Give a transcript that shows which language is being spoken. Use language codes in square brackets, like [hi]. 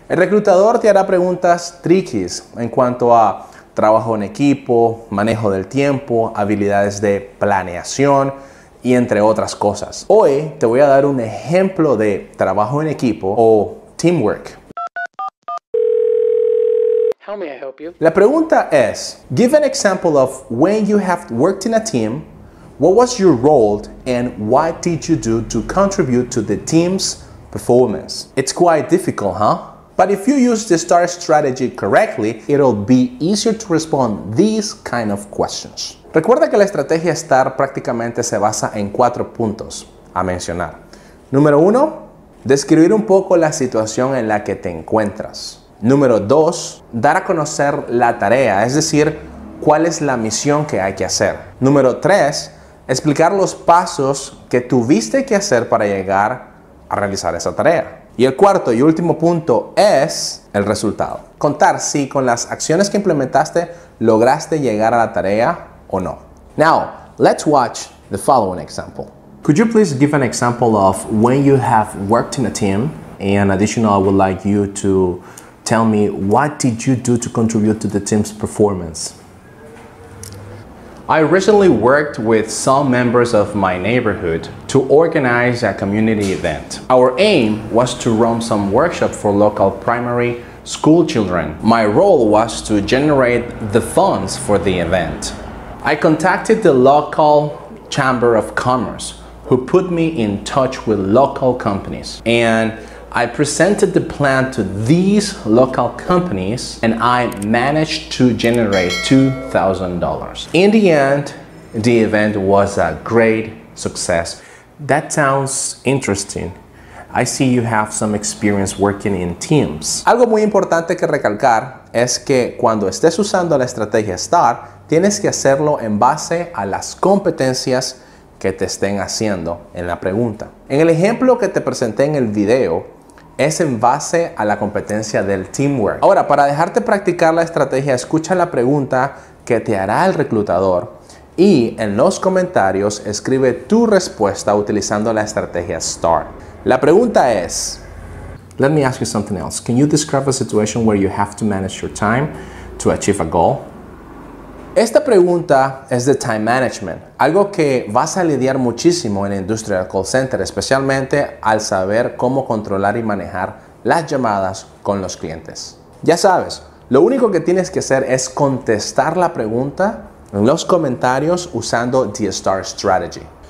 [es] El reclutador te hará preguntas tricky en cuanto a trabajo en equipo, manejo del tiempo, habilidades de planeación y entre otras cosas. Hoy te voy a dar un ejemplo de trabajo en equipo o teamwork. [en] How may I help you? [es] La pregunta es: [en] Give an example of when you have worked in a team. What was your role and what did you do to contribute to the team's performance? It's quite difficult, huh? But if you use the STAR strategy correctly, it'll be easier to respond these kind of questions. [es] Recuerda que la estrategia STAR prácticamente se basa en cuatro puntos a mencionar. Número uno, describir un poco la situación en la que te encuentras. Número dos, dar a conocer la tarea, es decir, cuál es la misión que hay que hacer. Número tres, explicar los pasos que tuviste que hacer para llegar a realizar esa tarea. Y el cuarto y último punto es el resultado. Contar si con las acciones que implementaste lograste llegar a la tarea o no. [en] Now, let's watch the following example. Could you please give an example of when you have worked in a team? And additional, I would like you to tell me what did you do to contribute to the team's performance? I recently worked with some members of my neighborhood to organize a community event. Our aim was to run some workshop for local primary school children. My role was to generate the funds for the event. I contacted the local Chamber of Commerce, who put me in touch with local companies. And I presented the plan to these local companies and I managed to generate $2,000. In the end, the event was a great success. That sounds interesting. I see you have some experience working in teams. [es] Algo muy importante que recalcar es que cuando estés usando la estrategia STAR, tienes que hacerlo en base a las competencias que te estén haciendo en la pregunta. En el ejemplo que te presenté en el video, es en base a la competencia del teamwork. Ahora, para dejarte practicar la estrategia, escucha la pregunta que te hará el reclutador y en los comentarios escribe tu respuesta utilizando la estrategia STAR. La pregunta es: [en] Let me ask you something else. Can you describe a situation where you have to manage your time to achieve a goal? [es] Esta pregunta es de time management, algo que vas a lidiar muchísimo en la industria del call center, especialmente al saber cómo controlar y manejar las llamadas con los clientes. Ya sabes, lo único que tienes que hacer es contestar la pregunta en los comentarios usando [en] the STAR strategy.